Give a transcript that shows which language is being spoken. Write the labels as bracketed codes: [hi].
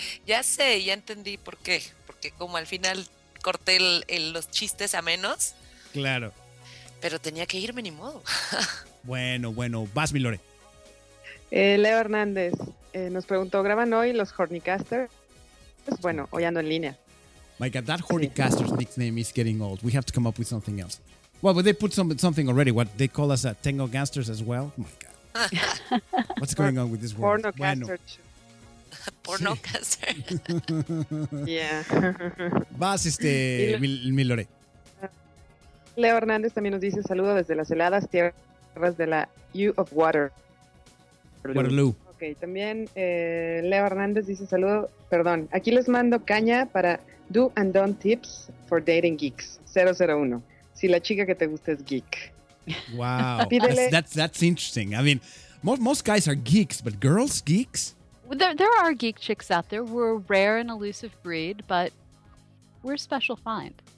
[es] Ya sé, ya entendí por qué. Porque como al final corté los chistes a menos. Claro. Pero tenía que irme, ni modo. Bueno, vas, mi Lore. Leo Hernández nos preguntó, ¿graban hoy los Hornycasters? Bueno, hoy ando en línea. [en] My God, that Hornycasters nickname is getting old. We have to come up with something else. Well, but they put something already. What, they call us Tango Gangsters as well? Oh, my God. What's going on with this world? Pornocaster. [es] Sí. [en] Yeah. [es] Vas, mi Lore. Leo Hernández también nos dice, saludo desde las heladas tierras de la U of Waterloo. Ok, también Leo Hernández dice, saludo, perdón, aquí les mando caña para Do and Don't Tips for Dating Geeks 001. Si la chica que te gusta es geek. [en] Wow. That's interesting. I mean, most guys are geeks, but girls, geeks? There are geek chicks out there. We're a rare and elusive breed, but we're a special find.